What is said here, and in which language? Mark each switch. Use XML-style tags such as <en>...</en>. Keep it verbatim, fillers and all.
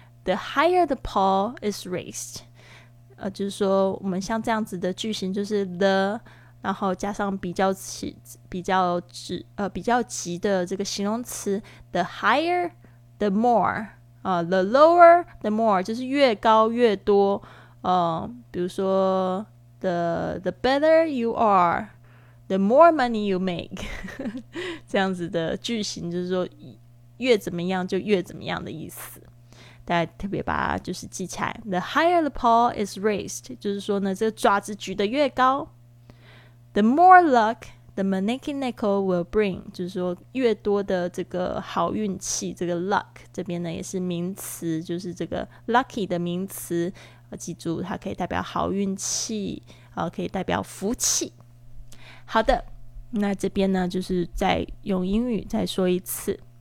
<en>The higher the paw is raised，</en> <zh>呃，就是说我们像这样子的句型就是 the 然后加上比较起比较指呃比较急的这个形容词</zh> <en>the higher the more，</en> <zh>呃</zh> <en>the lower the more</en> <zh>就是越高越多，呃，比如说</zh> <en>the the better you are the more money you make</en> <zh>这样子的句型就是说越怎么样就越怎么样的意思，大家特别把它就是记起来。</zh> <en>The higher the paw is raised，</en> <zh>就是说呢，这个爪子举得越高 ，</zh> <en>the more luck the maneki neko will bring，</en> <zh>就是说越多的这个好运气。这个 luck 这边呢也是名词，就是这个 lucky 的名词，记住它可以代表好运气，啊，可以代表福气。好的，那这边呢就是再用英语再说一次。</zh>